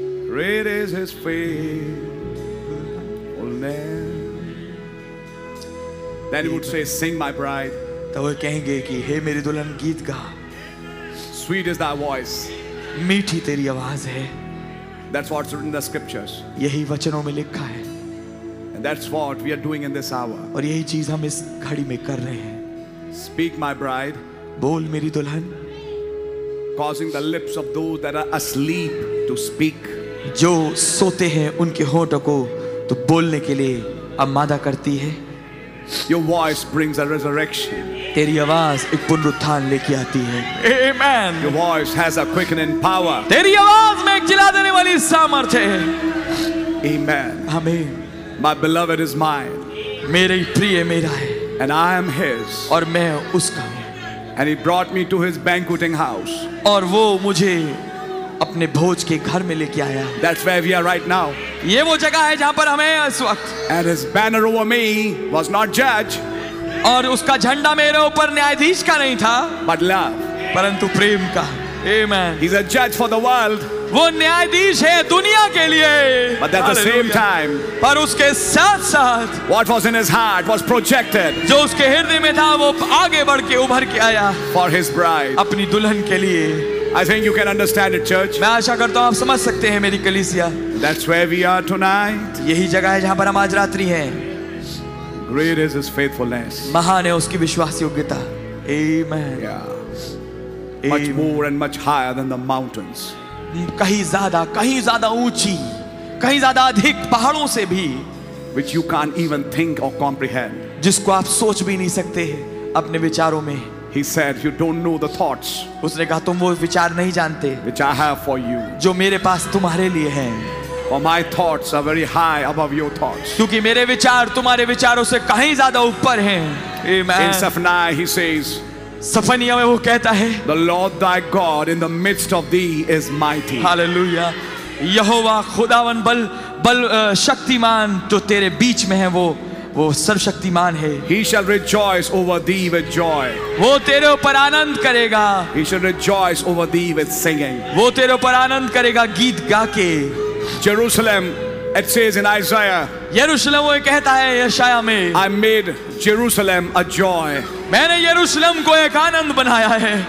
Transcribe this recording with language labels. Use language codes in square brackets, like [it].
[en] Great is his faithfulness. Then he would say, sing my bride. [hi] तब वो कहेंगे कि हे मेरी दुल्हन गीत गा. [en] Sweet is thy voice. [hi] मीठी तेरी आवाज है. [en] That's what's written in the scriptures. [hi] यही वचनों में लिखा है. [en] And that's what we are doing in this hour. [hi] और यही चीज हम इस घड़ी में कर रहे हैं. [en] Speak my bride. [hi] बोल मेरी दुल्हन. [en] Causing the lips of those that are asleep to speak. [hi] जो सोते हैं उनके होठों को तो बोलने के लिए आमादा करती है. [en] Your voice brings a resurrection. [hi] तेरी आवाज एक पुनरुत्थान लेके आती है. [en] Amen. Your voice has a quickening power. [hi] तेरी आवाज में एक जिला देने वाली सामर्थ्य है. [en] Amen. Amen. My beloved is mine. [hi] मेरी प्रिय मेरा है. [en] And I am his. [hi] और मैं उसका हूँ. [en] And he brought me to his banqueting house. [hi] और वो मुझे अपने भोज के घर में लेके आया. [en] That's where we are right now. [hi] ये वो जगह है जहाँ पर हमें इस वक्त. [en] And his banner over me was not judge. [hi] और उसका झंडा मेरे ऊपर न्यायाधीश का नहीं था [en] but love [hi] परंतु प्रेम का. Amen. [en] He's a judge for the world. [hi] वो न्यायाधीश है दुनिया के लिए. [en] But at the same time, [hi] पर उसके साथ साथ, [en] what was in his heart was projected. [hi] जो उसके हृदय में था वो आगे बढ़ के उभर के आया. [en] For his bride. [hi] अपनी दुल्हन के लिए. [en] I think you can understand it, church. [hi] मैं आशा करता हूँ आप समझ सकते हैं मेरी कलीसिया. [en] That's where we are tonight. [hi] यही जगह है जहाँ पर हम आज रात्रि हैं. [en] Great is his faithfulness. [hi] महान है उसकी विश्वास योग्यता. [en] Amen. Yeah. Much more and much higher than the mountains. [hi] कहीं ज़्यादा ऊँची, कहीं ज़्यादा अधिक पहाड़ों से भी. [en] Which you can't even think or comprehend. [hi] जिसको आप सोच भी नहीं सकते हैं अपने विचारों में. [en] He said, "You don't know the thoughts." [hi] उसने कहा तुम वो विचार नहीं जानते. [en] Which I have for you. [hi] जो मेरे पास तुम्हारे लिए हैं. [en] For my thoughts are very high above your thoughts. [hi] क्योंकि मेरे विचार तुम्हारे विचारों से कहीं ज़्यादा ऊपर हैं. [en] Amen. In Zephaniah, he says. [hi] सफनिया में वो कहता है, [en] The Lord thy God in the midst of thee is mighty. Hallelujah. [hi] यहोवा खुदावन बल बल शक्तिमान जो तेरे बीच में है वो सर्वशक्तिमान है. [en] He shall rejoice over thee with joy. [hi] वो तेरे ऊपर आनंद करेगा. [en] He shall rejoice over thee with singing. [hi] वो तेरे ऊपर आनंद करेगा गीत गा के. [en] Jerusalem, it says in Isaiah. [hi] यरूशलेम वो कहता है यशाया में. [en] I made Jerusalem a joy. [hi] मैंने यरूशलेम को एक आनंद बनाया है.